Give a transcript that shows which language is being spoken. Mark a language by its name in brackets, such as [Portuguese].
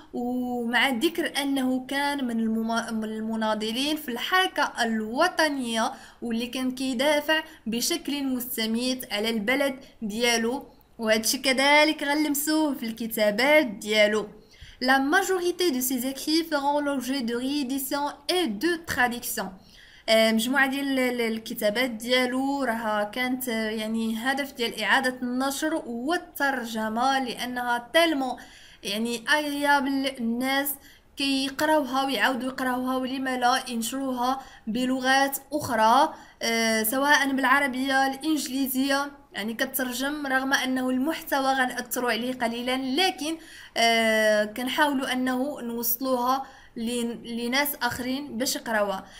[Arabic] ومع الذكر انه كان من المناضلين في الحركه الوطنيه، واللي كان كيدافع بشكل مستميت على البلد ديالو، وهادشي كذلك غنلمسوه في الكتابات ديالو. [French] La majorité de ses écrits feront l'objet de rééditions et de traductions. [Arabic] مجموعة ديال الكتابات ديالو راها كانت يعني هدف ديال إعادة النشر والترجمة، لأنها تلمو يعني أغريابل، الناس كيقراوها ويعاودوا يقراوها، ولما لا ينشروها بلغات أخرى سواء بالعربية الإنجليزية، يعني كترجم رغم انه المحتوى غنأثروا عليه قليلا، لكن كنحاولوا انه نوصلوها لناس اخرين باش يقراوها.